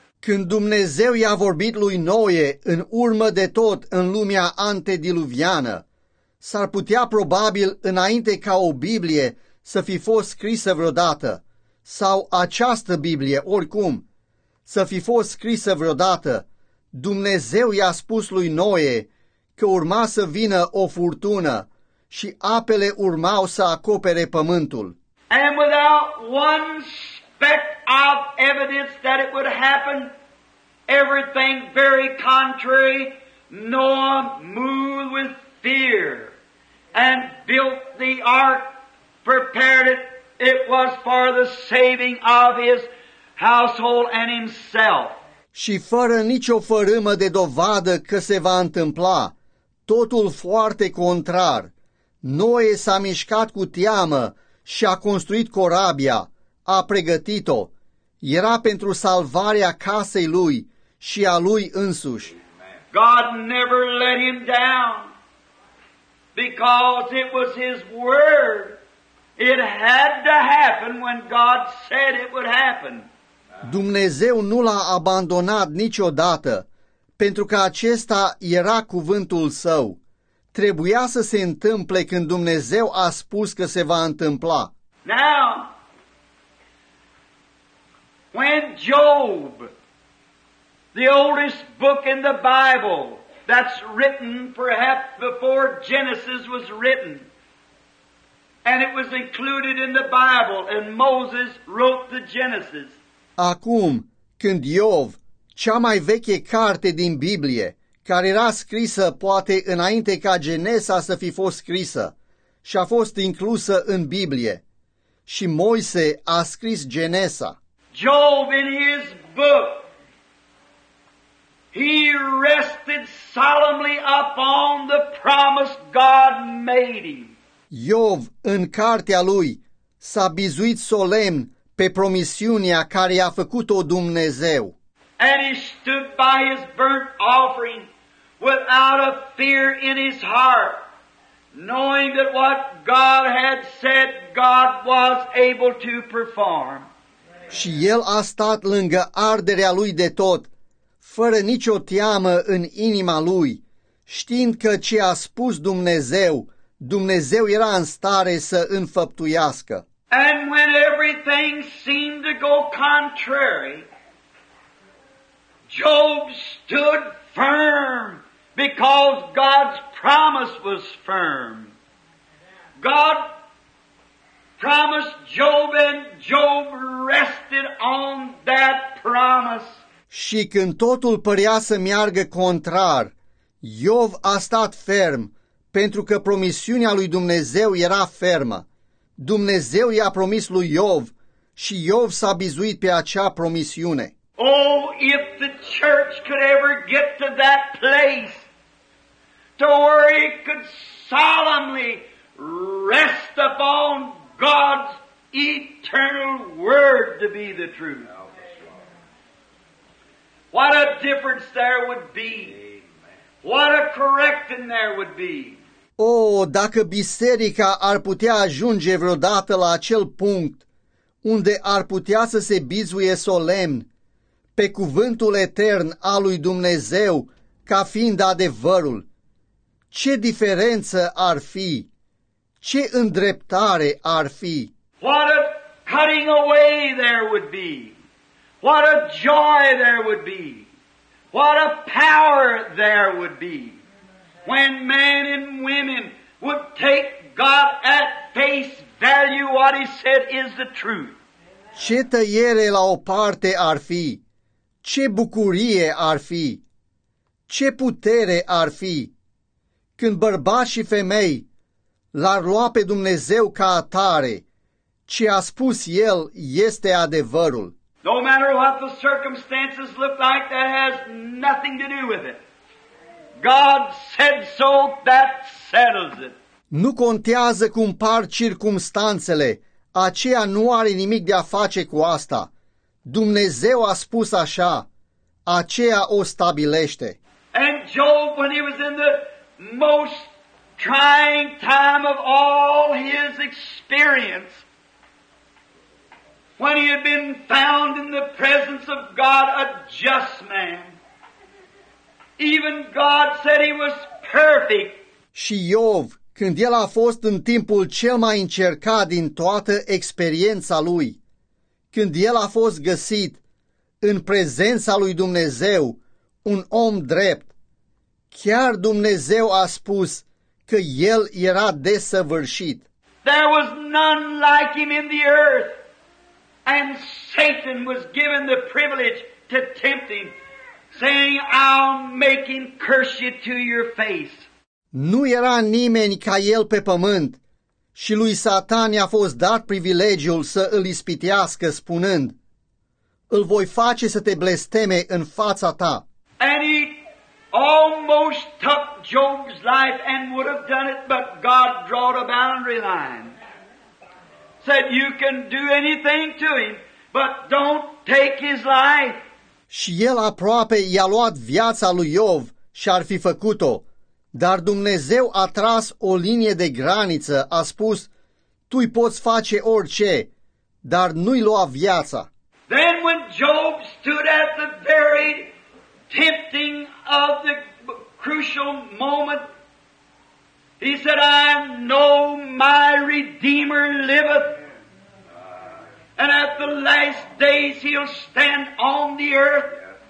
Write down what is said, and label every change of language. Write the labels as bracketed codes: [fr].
[ro] Când Dumnezeu i-a vorbit lui Noe în urmă de tot în lumea antediluviană, s-ar putea probabil înainte ca o Biblie să fi fost scrisă vreodată, sau această Biblie, oricum, să fi fost scrisă vreodată, Dumnezeu i-a spus lui Noe că urma să vină o furtună și apele urmau să acopere pământul. [en] And without one speck of evidence that it would happen, everything very contrary, Noah moved with fear and built the ark, prepared it. It was for the saving of his household and himself. [ro] Și fără nicio fărâmă de dovadă că se va întâmpla, totul foarte contrar, Noe s-a mișcat cu teamă și a construit corabia, a pregătit-o. Era pentru salvarea casei lui și a lui însuși. [en] God never let him down because it was his word. It had to happen when God said it would happen. [ro] Dumnezeu nu l-a abandonat niciodată, pentru că acesta era cuvântul său. Trebuia să se întâmple când Dumnezeu a spus că se va întâmpla. [en] Now, when Job, the oldest book in the Bible that's written perhaps before Genesis was written, and it was included in the Bible, and Moses wrote the Genesis. [ro] Acum, când Iov, cea mai veche carte din Biblie, care era scrisă poate înainte ca Genesa să fi fost scrisă și a fost inclusă în Biblie. Și Moise a scris Genesa. [en] Job in his book, he rested solemnly upon the promise God made him. [ro] Iov în cartea lui s-a bizuit solemn pe promisiunea care i-a făcut-o Dumnezeu. [en] And he stood by his burnt offering without a fear in his heart, knowing that what God had said, God was able to perform. [ro] Și el a stat lângă arderea lui de tot, fără nicio teamă în inima lui, știind că ce a spus Dumnezeu, Dumnezeu era în stare să înfăptuiască. [en] And when everything seemed to go contrary, Job stood firm. Because God's promise was firm. God promised Job, and Job rested on that promise. [ro] Și când totul părea să meargă contrar, Iov a stat ferm, pentru că promisiunea lui Dumnezeu era fermă. Dumnezeu i-a promis lui Iov și Iov s-a bizuit pe acea promisiune. [en] Oh, if the church could ever get to that place to where it could solemnly rest upon God's eternal word to be the truth. What a difference there would be. What a correcting there would be. [ro] Oh, dacă biserica ar putea ajunge vreodată la acel punct unde ar putea să se bizuie solemn pe cuvântul etern al lui Dumnezeu ca fiind adevărul, ce diferență ar fi? Ce îndreptare ar fi? [en] What a cutting away there would be! What a joy there would be! What a power there would be! When men and women would take God at face value, what He said is the truth. [ro] Ce tăiere la o parte ar fi? Ce bucurie ar fi? Ce putere ar fi? Când bărbați și femei l-ar lua pe Dumnezeu ca atare, ce a spus El este adevărul. [en] No matter what the circumstances look like, that has nothing to do with it. God said so, that settles it. [ro] Nu contează cum par circumstanțele, aceea nu are nimic de a face cu asta. Dumnezeu a spus așa, aceea o stabilește. [en] And Job, when he was in the most trying time of all his experience, when he had been found in the presence of God a just man, even God said he was perfect. [ro] Și Iov, când el a fost în timpul cel mai încercat din toată experiența lui, când el a fost găsit în prezența lui Dumnezeu, un om drept, chiar Dumnezeu a spus că el era desăvârșit. [en] There was none like him in the earth, and Satan was given the privilege to tempt him, saying, I'll make him curse you to your face. [ro] Nu era nimeni ca el pe pământ, și lui Satan i-a fost dat privilegiul să îl ispitească, spunând, îl voi face să te blesteme în fața ta. [en] And he almost took Job's life and would have done it, but God drawed a boundary line. Said, you can do anything to him, but don't take his life. [ro] Și el aproape i-a luat viața lui Iov și ar fi făcut-o, dar Dumnezeu a tras o linie de graniță, a spus, tu îi poți face orice, dar nu-i lua viața. [en] Then when Job stood at the very tempting of the crucial moment, he said, I know my Redeemer liveth, and at the last days he'll stand on the earth.